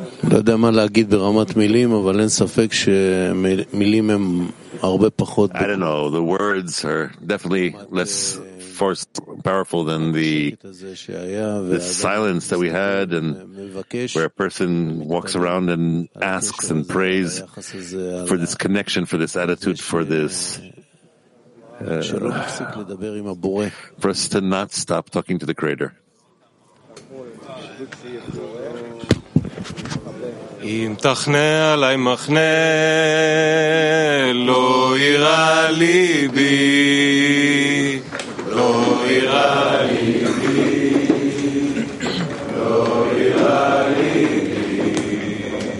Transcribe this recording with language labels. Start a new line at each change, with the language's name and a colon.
Hebrew: לא יודע מה להגיד ברמת מילים, אבל אין ספק שמילים הם הרבה פחות.
English: I don't know, the words are definitely less forced, powerful than the silence that we had, and where a person walks around and asks and prays for this connection, for this attitude, for this for us to not stop talking to the Creator.
Hebrew: אם תחנה עליי מחנה, לא יירא ליבי, לא יירא ליבי, לא יירא ליבי.